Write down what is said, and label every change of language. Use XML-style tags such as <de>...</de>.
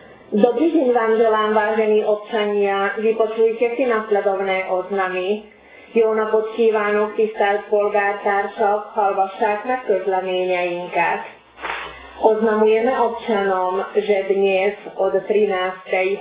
<sk>Dobrý deň vám želám, vážení občania. Vypočujte si nasledovné oznamy.</sk> <hu>Jó napot kívánok, tisztelt polgártársak, hallgassák meg közleményeinket.</hu> <sk>Oznamujeme občanom, že dnes od 13.</sk>